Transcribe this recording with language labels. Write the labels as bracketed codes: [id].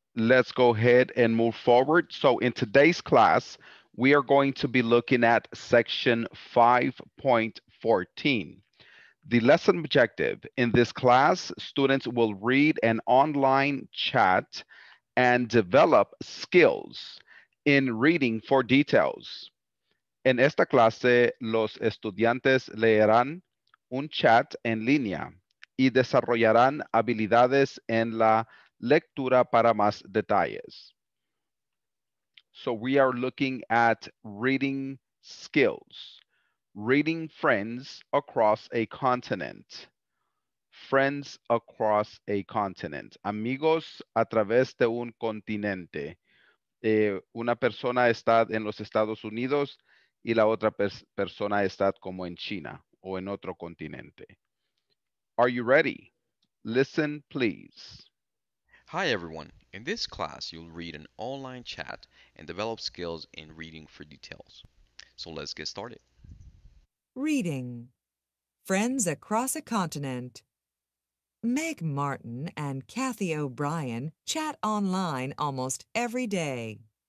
[en] Let's go ahead and move forward. So in today's class, we are going to be looking at section 5.14. The lesson objective in this class, students will read an online chat and develop skills in reading for details. [es] En esta clase, los estudiantes leerán un chat en línea y desarrollarán habilidades en la lectura para más detalles. [en] So we are looking at reading skills. Reading friends across a continent. Friends across a continent. [es] Amigos a través de un continente. Una persona está en los Estados Unidos y la otra persona está como en China o en otro continente. [en] Are you ready? Listen, please. Hi, everyone. In this class, you'll read an online chat and develop skills in reading for details. So let's get started. Reading. Friends across a continent. Meg Martin and Kathy O'Brien chat online almost every day.